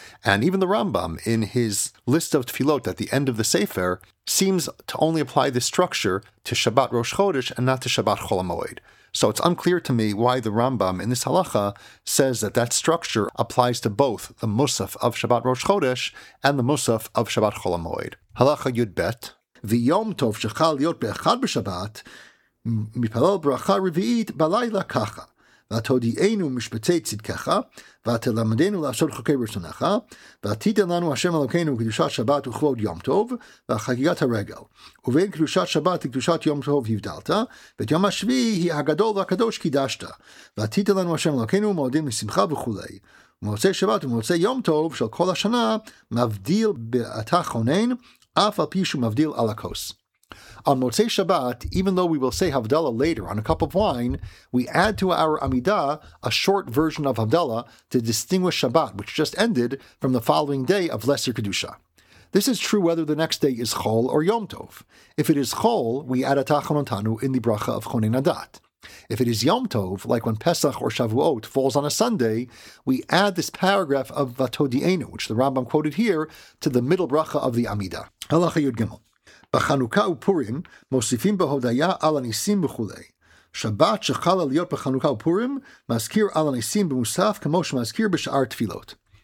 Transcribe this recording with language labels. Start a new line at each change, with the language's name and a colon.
English: And even the Rambam, in his list of tefillot at the end of the Sefer, seems to only apply this structure to Shabbat Rosh Chodesh and not to Shabbat Chol HaMoed. So it's unclear to me why the Rambam in this halacha says that that structure applies to both the Musaf of Shabbat Rosh Chodesh and the Musaf of Shabbat Chol HaMoed. Halacha Yud Bet.
Hebrew: V'yom Tov shechal liot be'echad b'Shabbat, מפלל ברכה רביעית בלילה ככה, ותודיענו משפטי צדקך, ותלמדנו לעשות חוקי רצונך, ותיתן לנו השם אלוקינו קדושת שבת וכבוד יום טוב, וחגיגת הרגל. ובין קדושת שבת לקדושת יום טוב הבדלת, ואת יום השביעי היא הגדול והקדוש קידשת, ותיתן לנו השם אלוקינו מועדים לשמחה וכו'. ומוצאי שבת ומוצאי יום טוב של כל השנה, מבדיל בעתה חונן, אף על פי שהוא מבדיל על הכוס.
English: On Motzei Shabbat, even though we will say Havdalah later on a cup of wine, we add to our Amidah a short version of Havdalah to distinguish Shabbat, which just ended, from the following day of Lesser Kedusha. This is true whether the next day is Chol or Yom Tov. If it is Chol, we add a Tachanotanu in the Bracha of Chonen Adat. If it is Yom Tov, like when Pesach or Shavuot falls on a Sunday, we add this paragraph of Vatodienu, which the Rambam quoted here, to the middle Bracha of the Amidah. Halacha Yud Gimel.
Hebrew: בחנוכה ופורים מוסיפים בהודיה על הניסים וכו'. שבת שחלה להיות בחנוכה ופורים מזכיר על הניסים במוסף כמו שמזכיר בשאר תפילות.